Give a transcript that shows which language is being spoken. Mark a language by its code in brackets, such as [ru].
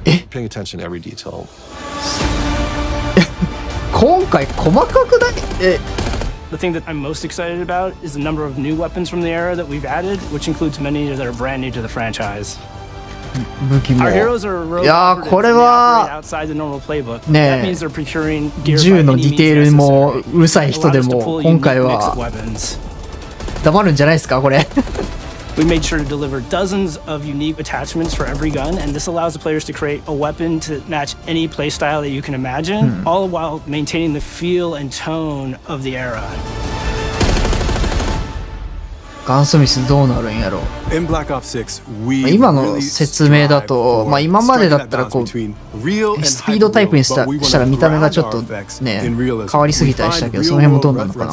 [en] Paying attention to every detail. [ja] 今回細かくない？ [en] The thing that I'm most excited about is the number of new weapons from the era that we've added, which includes many that are brand new to the franchise. [ja] 武器も。いやーこれはねえ、銃のディテールもうるさい人でも今回は黙るんじゃないですかこれ。 [en] We made sure to deliver dozens of unique attachments for every gun, and this allows the players to create a weapon to match any playstyle that you can imagine, all while maintaining the feel and tone of the era. [ja] ガンスミスどうなるんやろ。今の説明だと、まあ、今までだったらこうスピードタイプにしたら見た目がちょっとね変わりすぎたりしたけど、その辺もどうなるのかな。